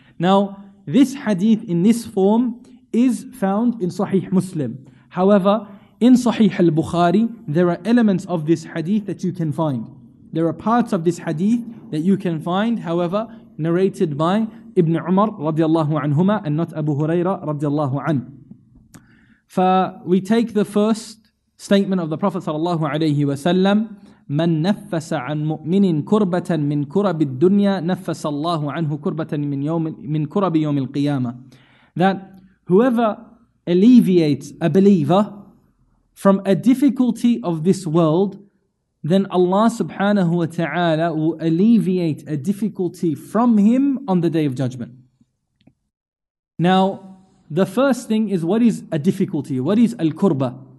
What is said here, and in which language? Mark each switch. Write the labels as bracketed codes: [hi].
[en] Now, this hadith in this form is found in Sahih Muslim. However, In Sahih al-Bukhari, there are elements of this hadith that you can find. There are parts of this hadith that you can find, however, narrated by Ibn Umar radiallahu anhuma and not Abu Huraira radiallahu an. We take the first statement of the Prophet sallallahu alayhi wa sallam, [ar] من نفس عن مؤمن كربة من كرب الدنيا نفس الله عنه كربة من يوم من كرب يوم القيامة. [en] That whoever alleviates a believer from a difficulty of this world, then Allah subhanahu wa ta'ala will alleviate a difficulty from him on the day of judgment. Now, the first thing is, what is a difficulty? What is al-kurba?